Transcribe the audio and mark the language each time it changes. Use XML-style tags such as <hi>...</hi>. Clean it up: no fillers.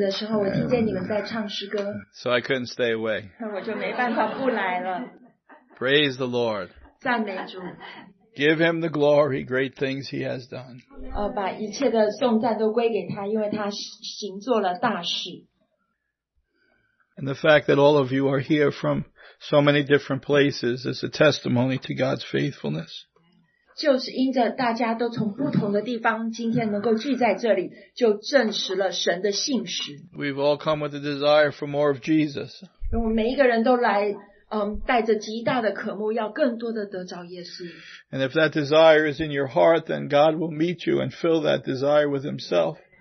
<zh>但是当我自己在房间休息的时候，我听见你们在唱诗歌。</zh> <en>So I couldn't stay away.</en> <zh>那我就没办法不来了。</zh> <en>Praise the Lord.</en> <zh>赞美主。</zh> <en>Give him the glory, great things he has done.</en> <zh>把一切的颂赞都归给他，因为他行做了大事。</zh> <en>And the fact that all of you are here from so many different places is a testimony to God's faithfulness.</en> <zh>就是因着大家都从不同的地方今天能够聚在这里，就证实了神的信实。</zh> <en>We've all come with a desire for more of Jesus.</en> <zh>我们每一个人都来。带着极大的渴慕，要更多的得着耶稣。</zh> <en>And if that desire is in your heart, then God will meet you and fill that desire with Himself.</en>